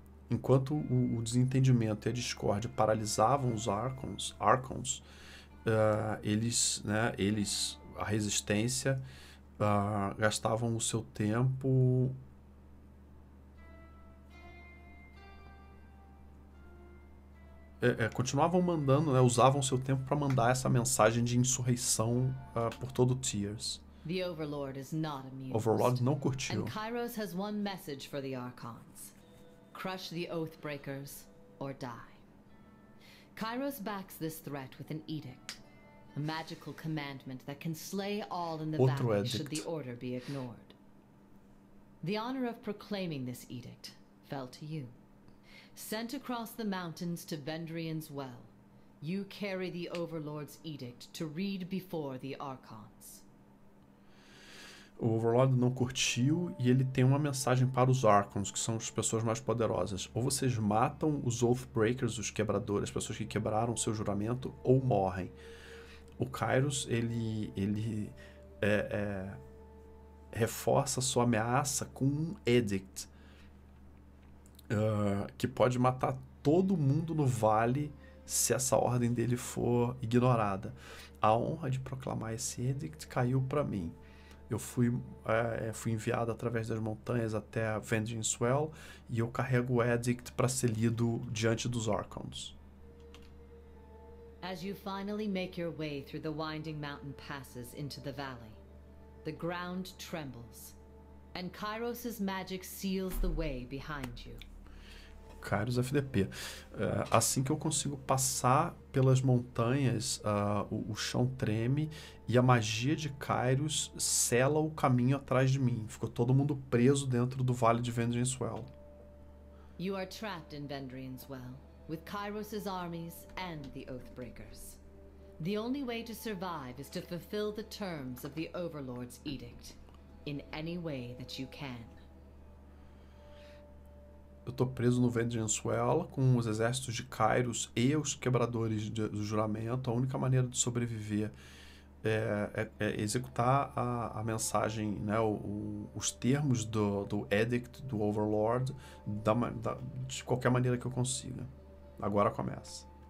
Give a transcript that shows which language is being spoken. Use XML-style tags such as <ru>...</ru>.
<pt>Enquanto o desentendimento e a discórdia paralisavam os Archons, eles, a resistência, gastavam o seu tempo. Continuavam mandando, né, usavam seu tempo para mandar essa mensagem de insurreição por todo o Tiers.</pt> <en>The Overlord is not amused.</en> <pt>Overlord não curtiu.</pt> <en>And Kairos has one message for the Archons. Crush the Oathbreakers or die. Kairos backs this threat with an edict, a magical commandment that can slay all in the</en> <pt>Outro</pt> <en>valley edict. Should the order be ignored. The honor of proclaiming this edict fell to you. Sent across the mountains to Vendrian's Well, you carry the Overlord's edict to read before the Archons.</en> <pt>O Overlord não curtiu e ele tem uma mensagem para os Archons, que são as pessoas mais poderosas. Ou vocês matam os Oathbreakers, os quebradores, as pessoas que quebraram seu juramento, ou morrem. O Kairos, ele reforça sua ameaça com um edict. Que pode matar todo mundo no vale se essa ordem dele for ignorada. A honra de proclamar esse edict caiu para mim. Eu fui enviado através das montanhas até Vendrian's Well e eu carrego o edict para ser lido diante dos Archons.</pt> <en>As you finally make your way through the winding mountain passes into the valley, the ground trembles and Kairos's magic seals the way behind you.</en> <pt>Kairos FDP. Assim que eu consigo passar pelas montanhas, o chão treme e a magia de Kairos sela o caminho atrás de mim. Ficou todo mundo preso dentro do Vale de Vendrian's Well.</pt> <en>You are trapped in Vendrian's Well, with Kairos's armies and the Oathbreakers. The only way to survive is to fulfill the terms of the Overlord's edict in any way that you can.</en> <pt>Eu tô preso no Vengeance Well com os exércitos de Kairos e os quebradores do juramento. A única maneira de sobreviver é executar a mensagem, né, os termos do edict do Overlord de qualquer maneira que eu consiga. Agora começa.</pt>